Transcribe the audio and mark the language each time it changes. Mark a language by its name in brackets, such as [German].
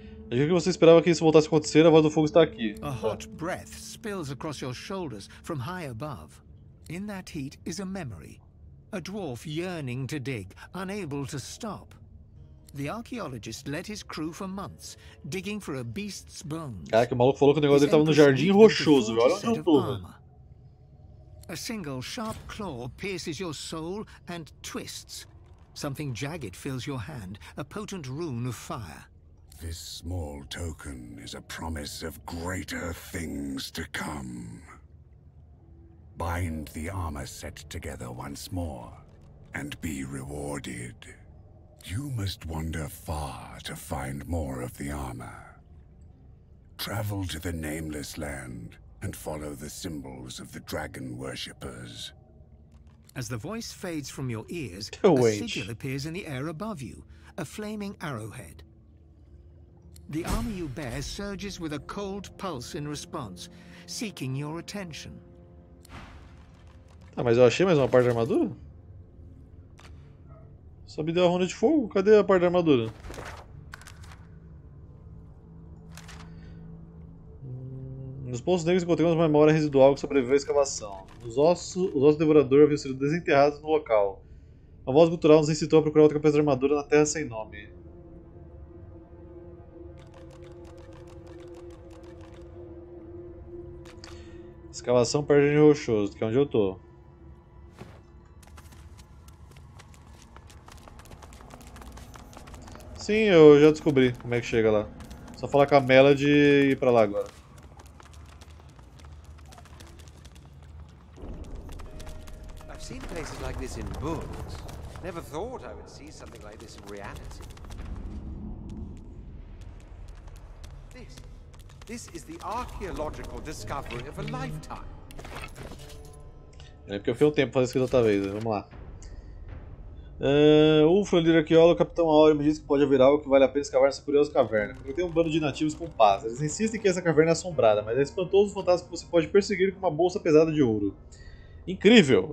[Portuguese] Eu acho que você esperava que isso voltasse a acontecer, a voz do fogo está aqui. [English] A hot breath spills across your shoulders from high above. In that heat is a memory. A dwarf yearning to dig, unable to stop. The archaeologist led his crew for months, digging for a beast's bones. [Portuguese] Cara, que o maluco falou que o negócio dele estava no jardim rochoso, velho. Olha o que eu tô. [English] A single sharp claw pierces your soul and twists. Something jagged fills your hand, a potent rune of fire. This small token is a promise of greater things to come. Bind the armor set together once more and be rewarded. You must wander far to find more of the armor. Travel to the Nameless Land and follow the symbols of the dragon worshippers. As the voice fades from your ears, a sigil appears in the air above you, a flaming arrowhead. The armor you bear surges with a cold pulse in response, seeking your attention. [Portuguese] Ah, mas eu achei mais uma parte da armadura? Só me deu a runa de fogo? Cadê a parte da armadura? Nos pontos negros encontramos uma memória residual que sobreviveu à escavação. Os ossos do devorador haviam sido desenterrados no local. A voz gutural nos incitou a procurar outra peça de armadura na terra sem nome. Escavação perto de Rochoso, que é onde eu tô. Sim, eu já descobri como é que chega lá. Só falar com a Melody e ir pra lá agora. [English] I've seen places like this in books. Never thought I would see something like this in reality. This is the archaeological discovery of a lifetime. [Portuguese] É porque eu fiquei um tempo fazendo isso outra vez, vamos lá. Ufa, o líder arqueólogo, o Capitão Aurea, me disse que pode haver algo que vale a pena escavar nessa curiosa caverna. Eu tenho um bando de nativos com paz. Eles insistem que essa caverna é assombrada, mas é espantoso o fantasma que você pode perseguir com uma bolsa pesada de ouro. Incrível!